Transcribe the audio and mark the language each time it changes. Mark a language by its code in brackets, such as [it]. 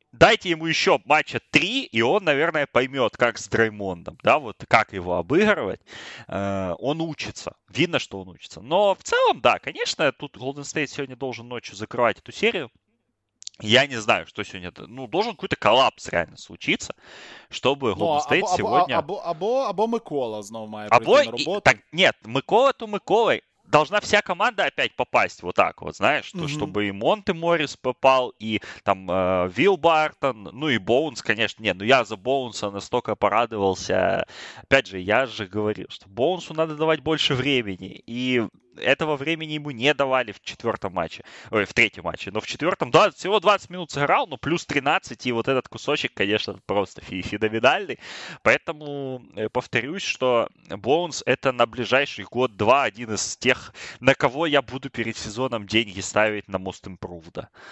[ru] Дайте ему еще матча 3, и он, наверное, поймет, как с Дреймондом, да, вот как его обыгрывать. Он учится. Видно, что он учится. Но в целом, да, конечно, тут Golden State сегодня должен ночью закрывать эту серию. Я не знаю, что сегодня... Ну, должен какой-то коллапс реально случиться, чтобы Golden State сегодня... [uk] Або Микола знову має прийти на роботу. [ru] Так, нет, Микола то Миколой. Должна вся команда опять попасть вот так вот, знаешь, то, чтобы и Монте Моррис попал, и там Вилл Бартон, ну и Боунс, конечно, не, ну я за Боунса настолько порадовался, опять же, я же говорил, что Боунсу надо давать больше времени, и этого времени ему не давали в четвертом матче, ой, в третьем матче, но в четвертом, да, всего 20 минут сыграл, но плюс 13, и вот этот кусочек, конечно, просто феноменальный, поэтому повторюсь, что Боунс это на ближайший год-два один из тех, на кого я буду перед сезоном деньги ставить на Most Improved,